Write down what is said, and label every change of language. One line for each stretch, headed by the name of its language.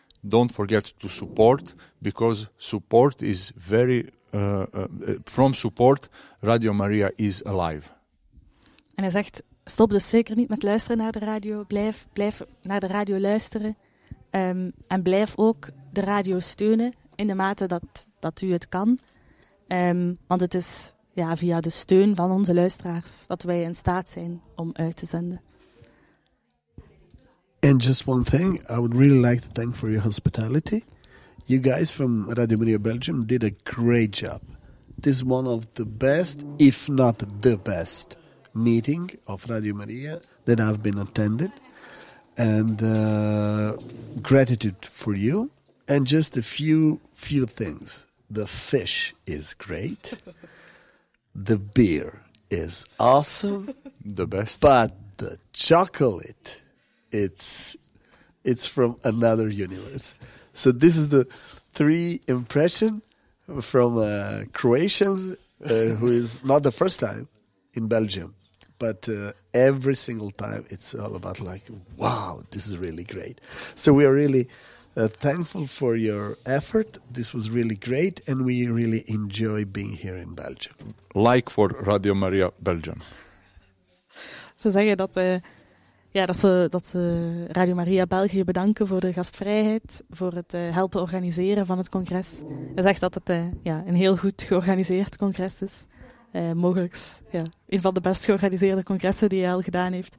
English: Don't forget to support, because support is very from support Radio Maria is alive.
Dutch: En hij zegt, stop dus zeker niet met luisteren naar de radio. Blijf naar de radio luisteren, en blijf ook de radio steunen in de mate dat u het kan. Want het is via de steun van onze luisteraars dat wij in staat zijn om uit te zenden.
English: And just one thing, I would really like to thank for your hospitality. You guys from Radio Maria Belgium did a great job. This is one of the best, if not the best, meeting of Radio Maria that I've been attended. And gratitude for you. And just a few things. The fish is great. The beer is awesome. The best. But the chocolate, it's from another universe. So this is the three impression from Croatians, who is not the first time in Belgium. But every single time, it's all about like, wow, this is really great. So we are really thankful for your effort. This was really great, and we really enjoy being here in Belgium. Like for Radio Maria Belgium.
Dutch: Ze zeggen dat, ja, dat ze Radio Maria België bedanken voor de gastvrijheid, voor het helpen organiseren van het congres. Hij zegt dat het een heel goed georganiseerd congres is. Een van de best georganiseerde congressen die hij al gedaan heeft.